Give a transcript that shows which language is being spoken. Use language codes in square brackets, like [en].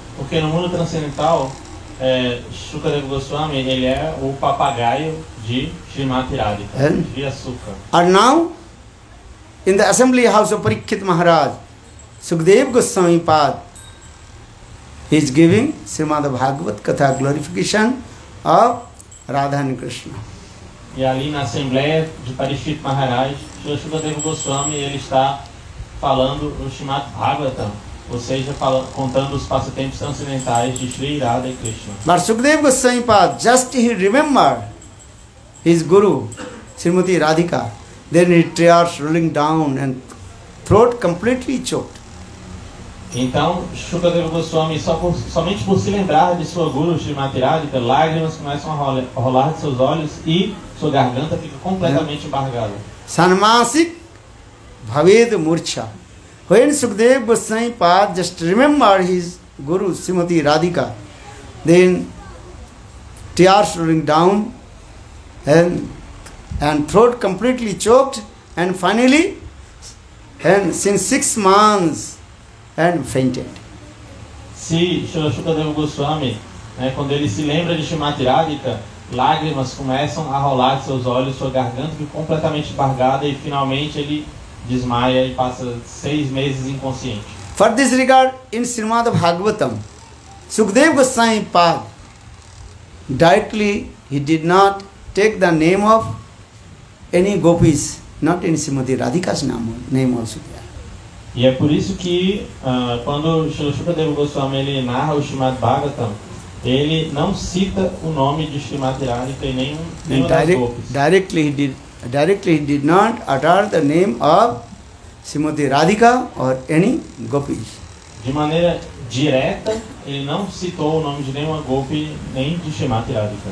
[pt] Porque no mundo transcendental, Shukadeva Goswami, ele é o papagaio de Srimati Radhika, de açúcar. [en] And now, in the assembly house of Parikshit Maharaj, Shukadeva Goswami Pad, he is giving Srimad Bhagavat Katha glorification of Radha and Krishna. [pt] E ali na assembleia de Parikshit Maharaj, Shukadeva Goswami, ele está falando o Srimad Bhagavatam, ou seja, contando os passatempos transcendentais de Sri Radha e Krishna. Mas [en] Sukadeva Goswami Pad, just he remembered his guru, Srimati Radhika, then his tears rolling down and throat completely choked. [pt] Então, Sukadeva Goswami, somente por se lembrar de sua guru, Srimati Radhika, lágrimas começam a rolar de seus olhos e sua garganta fica completamente embargada. [sa] Sanmasik Bhaved Murcha. [en] When Sukadeva Goswami Pad just remembered his guru Srimati Radhika, then tears rolling down and throat completely choked and finally and since 6 months and fainted. [pt] Se Sukadeva Goswami, quando ele se lembra de Srimati Radhika, lágrimas começam a rolar de seus olhos, sua garganta fica completamente embargada e finalmente ele desmaia e passa 6 meses inconsciente. [en] For this regard, in Srimad Bhagavatam, Sukadeva Goswami Pad, directly he did not take the name of any gopis, not in Srimati Radhika's name also. [pt] E é por isso que quando Sukadeva Goswami ele narra o Srimad Bhagavatam, ele não cita o nome de Srimati Radhika e nenhum das gopis. [en] Directly he did not utter the name of Srimati Radhika or any gopis. [pt] De maneira direta, ele não citou o nome de nenhuma gopi, nem de Srimati Radhika.